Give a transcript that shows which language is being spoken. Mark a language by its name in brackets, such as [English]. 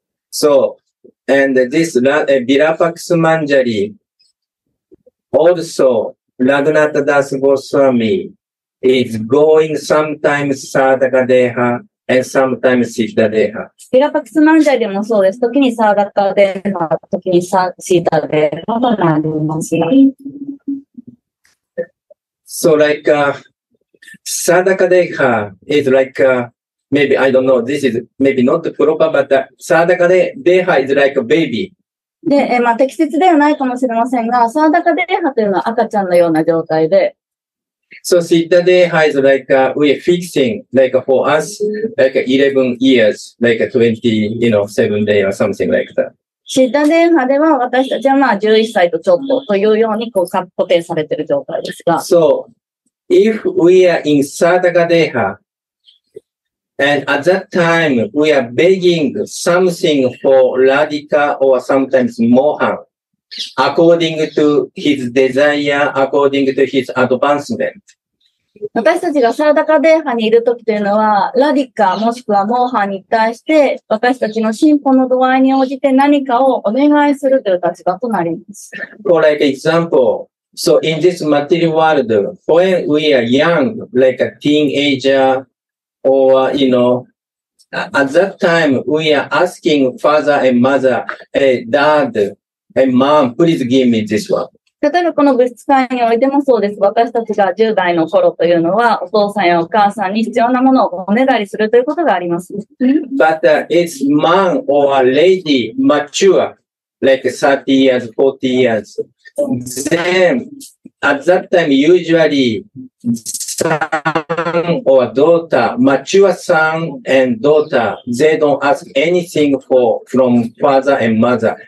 [English] So, and this Virapaksa Manjari, also Raghunatha Das Goswami is going sometimes Sadhaka Deha. And sometimes Siddha Deha. [Japanese] ヴィラパクスマンジャリでもそうです。時にサーダカデーハ、時にサーシータデーハとなりますよ。 [English] So like, サーダカデーハ is like, maybe, I don't know, this is maybe not proper, but サーダカデーハ is like a baby. [Japanese] で、まあ、適切ではないかもしれませんが、サーダカデーハというのは赤ちゃんのような状態で、 [English] So Siddha Deha is like, we're fixing, like for us, like 11 years, like 20, you know, 7 days or something like that. [Japanese] Siddha Deha では私たちはまあ11歳とちょっとというようにこう固定されている状態ですが。 [English] So, if we are in Sadhaka Deha, and at that time, we are begging something for Radhika or sometimes Mohan, according to his desire, according to his advancement. [Japanese] 私たちがサーダカデーハにいるときというのは、ラディカもしくはモーハに対して、私たちの進歩の度合いに応じて何かをお願いするという立場となります。 [English] For like example, so in this material world, when we are young, like a teenager, or, you know, at that time, we are asking father and mother, hey, dad and mom, please give me this one. [Japanese] 例えばこの物質界においてもそうです。私たちが10代の頃というのは、お父さんやお母さんに必要なものをおねだりするということがあります。 [English] But、it's man or a lady mature, like 30 years, 40 years. Then, at that time, usually, son or daughter, mature son and daughter, they don't ask anything from father and mother.